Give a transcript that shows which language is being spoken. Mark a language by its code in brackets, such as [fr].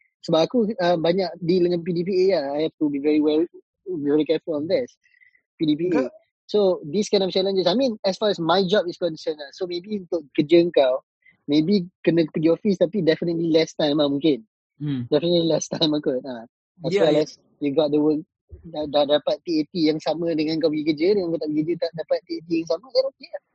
[ms] Sebab aku banyak deal dengan PDPA lah. [en] I have to be very careful on this. PDPA. So these kind of challenges, I mean, as far as my job is concerned lah. So maybe [ms] untuk kerja kau, maybe kena pergi office, tapi definitely less time lah mungkin. [en] Definitely less time aku. As well as you got the work, [ms] dah dapat TAT yang sama [en] dengan kau pergi kerja, dengan kau tak pergi kerja, tak dapat TAT yang sama, then okay lah.